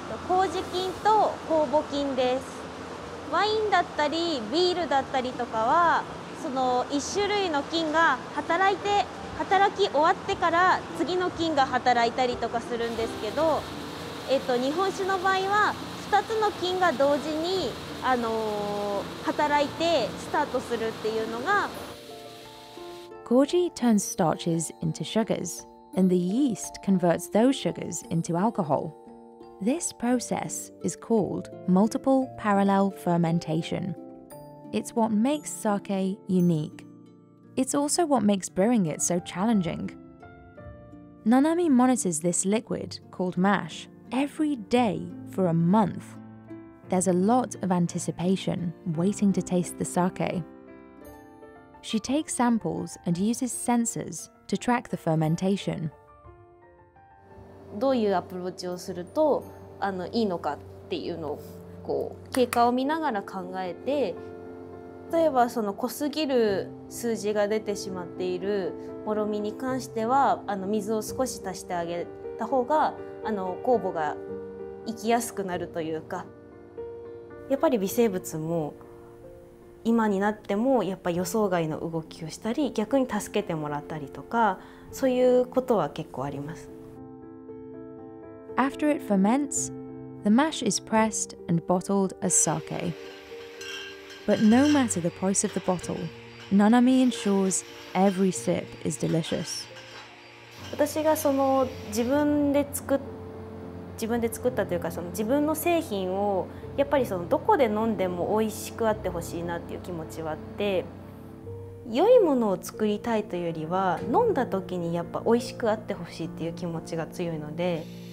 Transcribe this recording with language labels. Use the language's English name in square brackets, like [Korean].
[Japanese] 麹菌と酵母菌です。ワインだったりビールだったりとかは、その1種類の菌が働き終わってから次の菌が働いたりとかするんですけど、日本酒の場合は、2つの菌が同時に働いてスタートするっていうのが、 [English] Koji turns starches into sugars and the yeast converts those sugars into alcohol. This process is called multiple parallel fermentation. It's what makes sake unique. It's also what makes brewing it so challenging. Nanami monitors this liquid called mash every day for a month. There's a lot of anticipation, waiting to taste the sake. She takes samples and uses sensors to track the fermentation. [Japanese] どういうアプローチをするといいのかっていうのをこう経過を見ながら考えて、例えばその濃すぎる数字が出てしまっているもろみに関しては水を少し足してあげた方が酵母が生きやすくなるというか、やっぱり微生物も今になってもやっぱ予想外の動きをしたり、逆に助けてもらったりとか、そういうことは結構あります。 [English] After it ferments, the mash is pressed and bottled as sake. But no matter the price of the bottle, Nanami ensures every sip is delicious. [Japanese] 私がその自分で作ったというか、その自分の製品をやっぱりそのどこで飲んでも美味しくあってほしいなっていう気持ちはあって、良いものを作りたいというよりは飲んだ時にやっぱ美味しくあってほしいっていう気持ちが強いので。